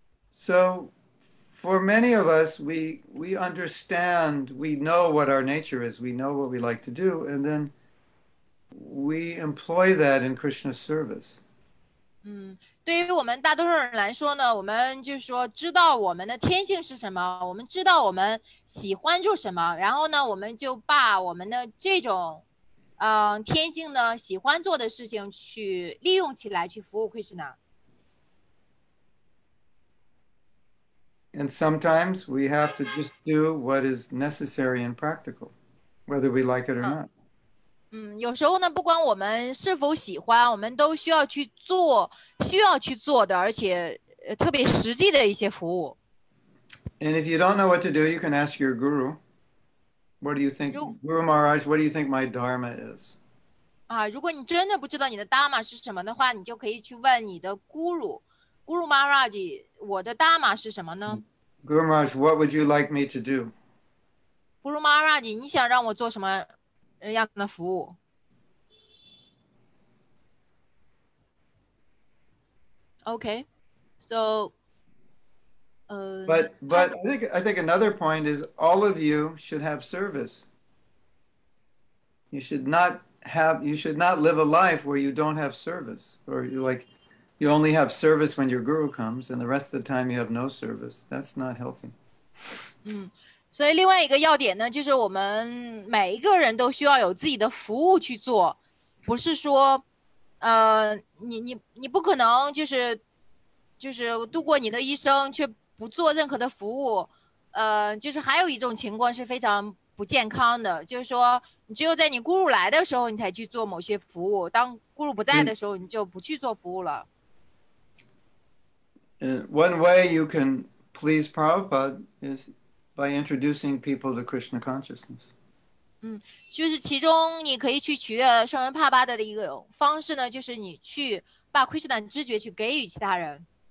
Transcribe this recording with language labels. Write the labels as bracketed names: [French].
[English] So, for many of us, we understand, we know what our nature is, we know what we like to do, and then we employ that in Krishna's service. [Chinese] 对于我们大多数人来说呢，我们就是说知道我们的天性是什么，我们知道我们喜欢做什么，然后呢，我们就把我们的这种天性呢，喜欢做的事情去利用起来，去服务 Krishna。 [English] And sometimes we have to just do what is necessary and practical, whether we like it or not. [Chinese] 有时候呢，不管我们是否喜欢，我们都需要去做，需要去做的，而且特别实际的一些服务。 [English] And if you don't know what to do, you can ask your guru. What do you think, Guru Maharaj, what do you think my dharma is? [Chinese] 如果你真的不知道你的 dharma 是什么的话，你就可以去问你的 Guru. Guru Maharaj, 我的 dharma 是什么呢？ [English] Guru Maharaj, what would you like me to do? [Chinese] Guru Maharaj, 你想让我做什么样的服务？ [English] Okay, so... But I think another point is all of you should have service. You should not live a life where you don't have service, or you like you only have service when your guru comes, and the rest of the time you have no service. That's not healthy. [Chinese] 所以另外一个要点呢，就是我们每一个人都需要有自己的服务去做，不是说，你不可能就是度过你的一生却。不做任何的服务，就是还有一种情况是非常不健康的，就是说你只有在你咕噜来的时候你才去做某些服务，当咕噜不在的时候你就不去做服务了。 [English] One way you can please Prabhupada is by introducing people to Krishna consciousness. [Chinese] 就是其中你可以去取悦圣人帕巴的一个方式呢，就是你去把 Krishna 知觉去给予其他人。